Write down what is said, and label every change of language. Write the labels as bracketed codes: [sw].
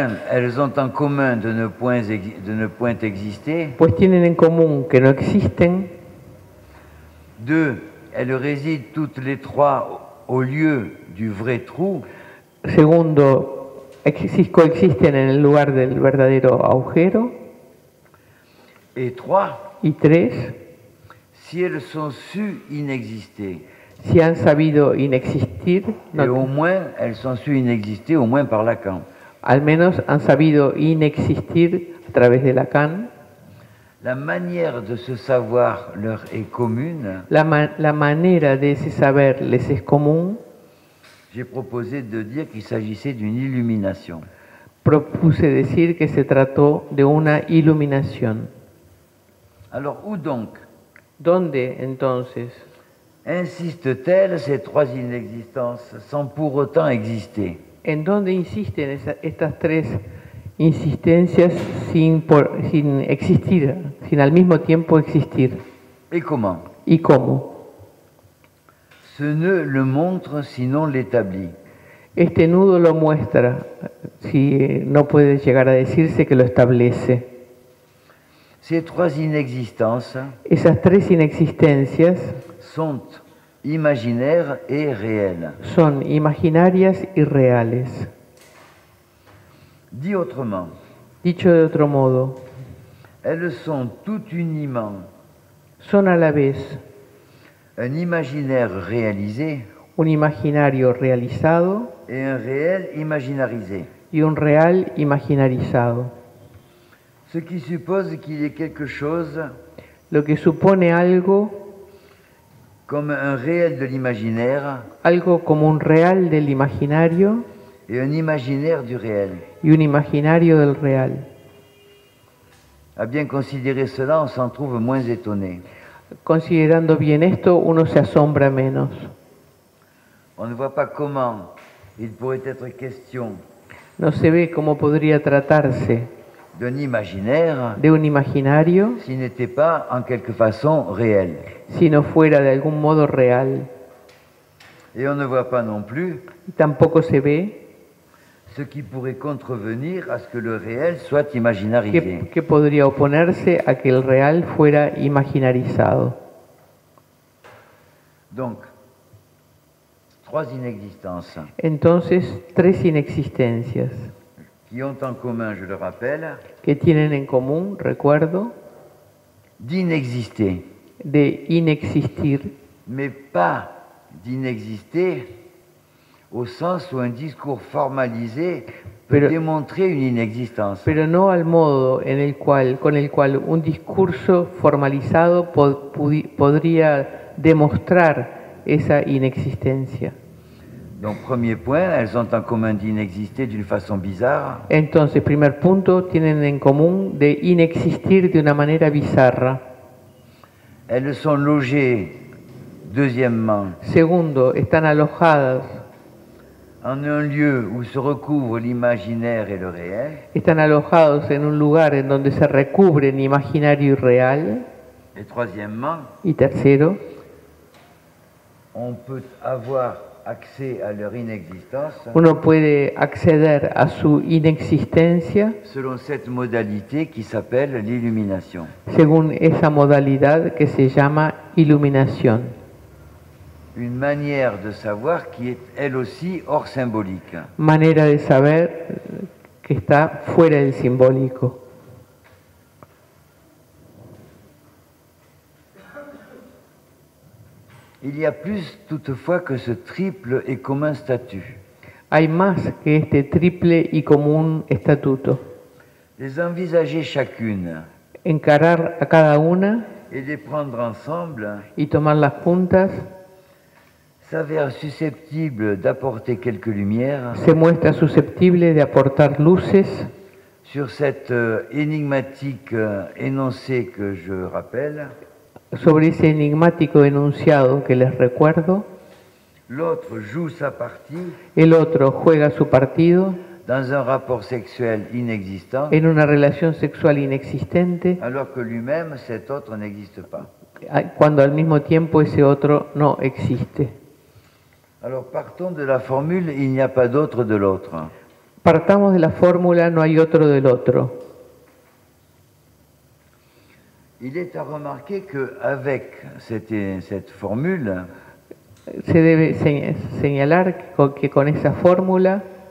[fr] elles ont en commun de ne point exister. [es] Pues tienen en común que no existen. [fr] Deux, elles résident toutes les trois au lieu du vrai trou. [es] Segundo, coexisten en el lugar del verdadero agujero. [fr] Et trois. [es] Y tres. [fr] Si elles sont su inexister. [es] Si han sabido inexistir, [fr] no, au moins, elles sont su inexister, au moins par Lacan. [es] Al menos han sabido inexistir a través de Lacan. [fr] La manière de se savoir leur est commune. [es] La manera de se saber les es común. [fr] J'ai proposé de dire qu'il s'agissait d'une illumination. [es] Propuse decir que se trató de una iluminación. [fr] Alors où donc? [es] ¿Dónde entonces? [fr] Insistent-elles ces trois inexistences sans pour autant exister? [es] ¿En dónde insisten estas tres insistencias sin existir, sin al mismo tiempo existir? [fr] ¿Et comment? [es] ¿Y cómo? [fr] Ce nœud le montre, sinon l'établit. [es] Este nudo lo muestra, si no puede llegar a decirse que lo establece. [fr] Ces trois inexistences, [es] esas tres inexistencias, [fr] sont imaginaires et réelles. [es] Son imaginarias y reales. [fr] Dit autrement. [es] Dicho de otro modo. [fr] Elles sont tout uniment. [es] Son a la vez. [fr] Un imaginaire réalisé. [es] Un imaginario realizado. [fr] Et un réel imaginarisé. [es] Y un real imaginarizado. [fr] Ce qui suppose qu'il y ait quelque chose. [es] lo que supone algo [fr] comme un réel de l'imaginaire, [es] algo como un real del imaginario [fr] et un imaginaire du réel. [es] Y un imaginario del real. [fr] À bien considérer cela, on s'en trouve moins étonné. [es] Considerando bien esto, uno se asombra menos. [fr] On ne voit pas comment il pourrait être question. [es] No se ve cómo podría tratarse [fr] d'un imaginaire, [es] de un imaginario, [fr] si n'était pas en quelque façon réel. [es] Si no fuera de algún modo real. [fr] Et on ne voit pas non plus. [es] Tampoco se ve [fr] ce qui pourrait contrevenir à ce que le réel soit imaginarisé. [es] Que podría oponerse a que el real fuera imaginarizado. [fr] Donc, trois inexistences. [es] Entonces, tres inexistencias. [fr] Qui ont en commun, je le rappelle, [es] que tienen en común, recuerdo, [fr] d'inexister. [es] De inexistir. [fr] Mais pas d'inexister au sens où un discours formalisé peut démontrer une inexistence. [es] Pero no al modo en el cual, con el cual un discurso formalizado podría demostrar esa inexistencia. [fr] Donc premier point, elles ont en commun d'inexister d'une façon bizarre. [es] Entonces, primer punto, tienen en común de inexistir de una manera bizarra. [fr] Elles sont logées, deuxièmement. [es] Segundo, están alojadas [fr] en un lieu où se recouvre l'imaginaire et le réel. [es] Están alojados en un lugar en donde se recubren imaginario y real. [fr] Et troisièmement, [es] y tercero, [fr] on peut avoir accès à leur inexistence. [es] Uno puede acceder a su inexistencia [fr] selon cette modalité qui s'appelle l'illumination. [es] Según esa modalidad que se llama iluminación. [fr] Une manière de savoir qui est elle aussi hors symbolique. [es] Manera de saber que está fuera del simbólico. [fr] Il y a plus toutefois que ce triple et commun statut. [es] Hay más que este triple y común estatuto. [fr] Les envisager chacune. [es] Encarar a cada una. [fr] Et les prendre ensemble. [es] Y tomarlas juntas. [fr] S'avère susceptible d'apporter quelques lumières. [es] Se muestra susceptible de aportar luces. [fr] Sur cette énigmatique énoncé que je rappelle. [es] Sobre ese enigmático enunciado que les recuerdo. [fr] L'autre joue sa partie. [es] El otro juega su partido. [fr] Dans un rapport sexuel inexistant. [es] En una relación sexual inexistente. [fr] Alors que lui-même, cet autre n'existe pas. [es] Cuando al mismo tiempo ese otro no existe. [fr] Alors partons de la formule, il n'y a pas d'autre de l'autre. [es] Partamos de la fórmula, no hay otro del otro. [fr] Il est à remarquer que avec cette formule, [es] se debe señalar que con esa fórmula,